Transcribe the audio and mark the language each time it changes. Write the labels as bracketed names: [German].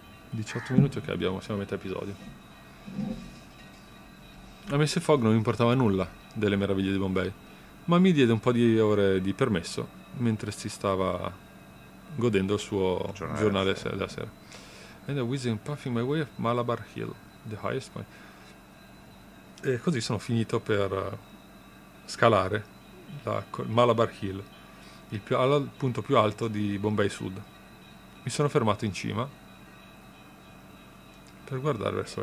[Italian] 18 minuti, ok, siamo a metà episodio. La messa in fog non mi importava nulla delle meraviglie di Bombay, ma mi diede un po' di ore di permesso mentre si stava godendo il suo giornale da sera. [English] And I was puffing my way up Malabar Hill, the highest point. [Italian] E così sono finito per scalare la Malabar Hill, al punto più alto di Bombay Sud. Mi sono fermato in cima per guardare verso